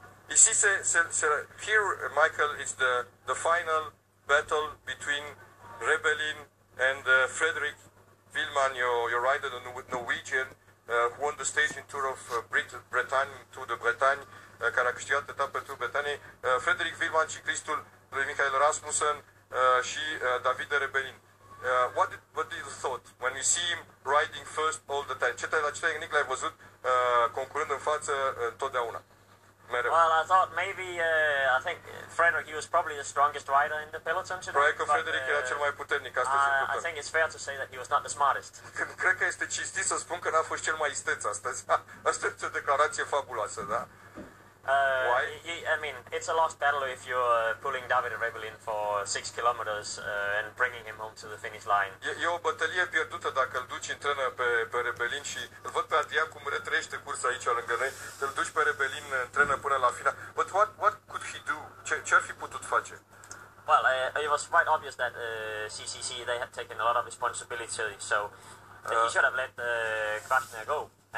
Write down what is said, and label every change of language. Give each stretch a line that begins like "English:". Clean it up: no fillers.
English: You see, here, Michael, is the final battle between Rebellin and Frederik Wilmann, your rider, the Norwegian, who won the stage in Tour of Bretagne,
Romanian: care a câștigat etapa Tour Bretagne. Frederik Wilmann, ciclistul lui Michael Rasmussen și Davide Rebellin.
English: What did you thought when you see him riding first all the time?
Romanian: Ce tehnic l-ai văzut concurând în față totdeauna?
English: Well, I thought maybe, I think Frederik, he was probably the strongest rider in the peloton today.
Romanian: Probabil că Frederik era cel mai puternic astăzi în peloton.
English: I think it's fair to say that he was not the smartest.
Romanian: Cred că este cinstit să spun că n-a fost cel mai isteț astăzi. Asta este o declarație fabuloasă, da?
English: Why? I mean, it's a lost battle if you're pulling Davide Rebellin for 6 kilometers and bringing him home to the finish line.
Romanian: E o bătălie pierdută dacă îl duci în trenă pe Rebellin și îl văd pe Adrian cum retrăiește cursa aici lângă noi, îl duci pe Rebellin în trenă până la final.
English: But what could he do?
Romanian: Ce ar fi putut face?
English: Well, it was quite obvious that CCC, they had taken a lot of responsibility, so he should have let Krasner go.